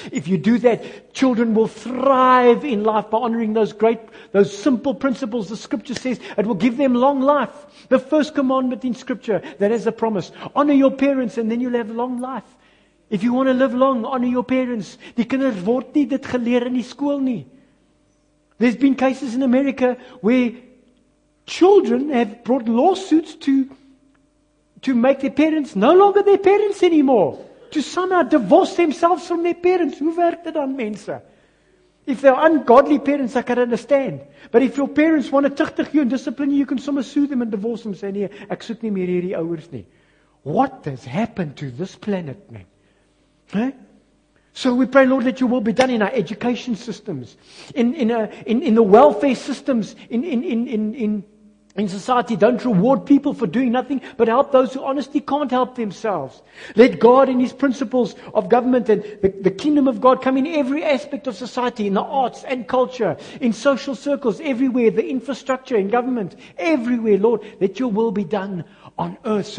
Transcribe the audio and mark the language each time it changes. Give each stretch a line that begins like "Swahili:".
English: If you do that, children will thrive in life by honoring those great, those simple principles. The scripture says it will give them long life. The first commandment in scripture that has a promise. Honor your parents and then you'll have long life. If you want to live long, honor your parents.
Afrikaans: Die kinders word nie dit geleer in die skool nie.
English: There's been cases in America where children have brought lawsuits to make their parents no longer their parents anymore. To somehow divorce themselves from their parents.
Afrikaans: Hoe werk dit dan, mense?
English: If they're ungodly parents, I can understand. But if your parents want to tuchtig you and discipline you, you can somehow sue them and divorce them.
Afrikaans: Say, nee, ek soek nie meer hierdie ouers nie.
English: What has happened to this planet, man? Huh? So we pray, Lord, that your will be done in our education systems, in the welfare systems, in society. Don't reward people for doing nothing, but help those who honestly can't help themselves. Let God in His principles of government and the kingdom of God come in every aspect of society, in the arts and culture, in social circles, everywhere, the infrastructure, in government, everywhere, Lord, let your will be done on earth.